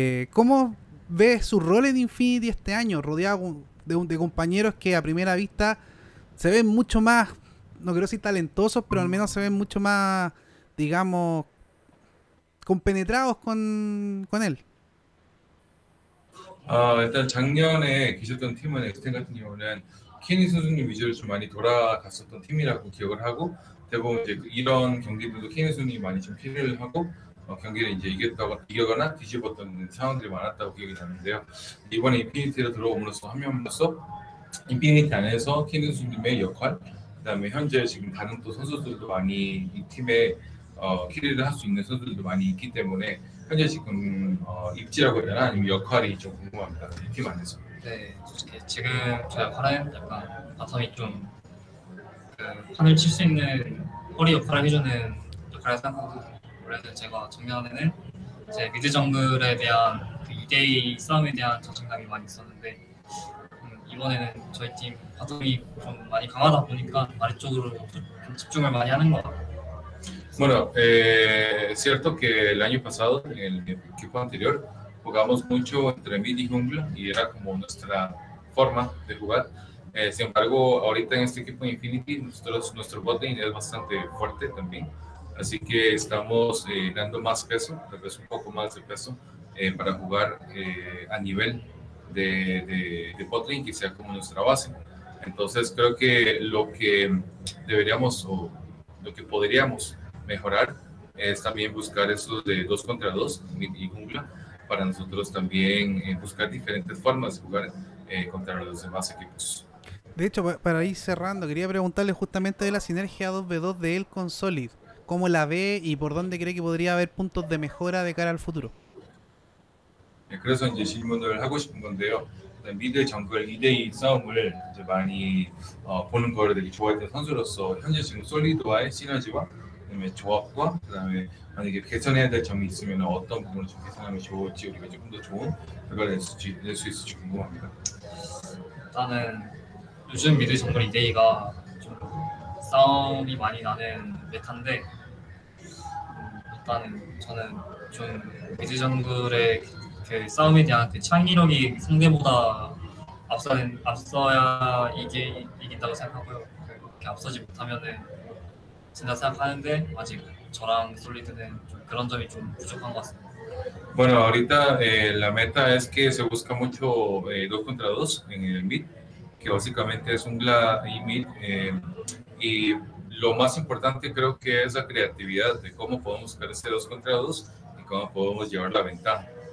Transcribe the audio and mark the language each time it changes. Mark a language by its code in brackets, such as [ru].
[es] ¿Cómo ve su rol en Infinity este año, rodeado de compañeros que a primera vista se ven mucho más, no creo si talentosos, pero al menos se ven mucho más, digamos, compenetrados con él? [ko] 일단 작년에 계셨던 팀은 엑스텐 같은 경우는 케니 선수님 위주로 좀 많이 돌아갔었던 팀이라고 기억을 하고 대부분 이제 이런 경기들도 케니 선수님이 많이 좀 필요를 하고 경기를 이제 이겨거나 뒤집었던 상황들이 많았다고 기억이 나는데요. 이번에 인피니티로 들어옴으로써 한 명으로서 인피니티 안에서 케니 선수님의 역할 그다음에 현재 지금 다른 또 선수들도 많이 이 팀에 키리를 할 수 있는 선수들도 많이 있기 때문에 현재 지금 입지라고 해야 되나 아니면 역할이 좀 궁금합니다. 팀 안에서. 네, 솔직히 지금 제 역할은 약간 바텀이 좀 그 판을 칠 수 있는 허리 역할을 해주는 역할을 생각하고 원래는 제가 작년에는 이제 미드 정글에 대한 그 2대2 싸움에 대한 자신감이 많이 있었는데 이번에는 저희 팀 바텀이 좀 많이 강하다 보니까 아래 쪽으로 집중을 많이 하는 것 같아요. [es] Bueno, cierto que el año pasado, en el equipo anterior, jugamos mucho entre mid y jungla y era como nuestra forma de jugar. Sin embargo, ahorita en este equipo Infinity, nuestro bot lane es bastante fuerte también. Así que estamos dando más peso, tal vez un poco más de peso, para jugar a nivel de bot lane, que sea como nuestra base. Entonces, creo que lo que deberíamos o lo que podríamos mejorar es también buscar eso de dos contra dos y jungla para nosotros también buscar diferentes formas de jugar contra los demás equipos. De hecho, para ir cerrando, quería preguntarle justamente de la sinergia 2v2 de él con Solid. ¿Cómo la ve y por dónde cree que podría haber puntos de mejora de cara al futuro? Creo que son [ko] 이제 질문을 하고 싶은 건데요. 미드 정글 2대2 싸움을 이제 많이 보는 걸 되게 좋아했던 선수로서 현재 지금 솔리드와의 시너지와 조합과 그다음에 만약에 개선해야 될 점이 있으면 어떤 부분을 좀 개선하면 좋을지 우리가 조금 더 좋은 결과를 낼 수 있을지 궁금합니다. 일단은 요즘 미드 정글 2대2가 좀 싸움이 많이 나는 메타인데 일단은 저는 좀 미드 정글의 그 싸움에 대한 그 창의력이 상대보다 앞서야 이긴다고 생각하고요. 그렇게 앞서지 못하면은 진짜 생각하는데 아직 저랑 솔리드는 좀 그런 점이 좀 부족한 것 같습니다. [es] Bueno, ahorita la meta es que se busca mucho dos contra dos en el mid, que básicamente es jungla y mid. Y lo más importante creo que es la creatividad de cómo podemos crear ese dos contra dos y cómo podemos llevar la ventaja.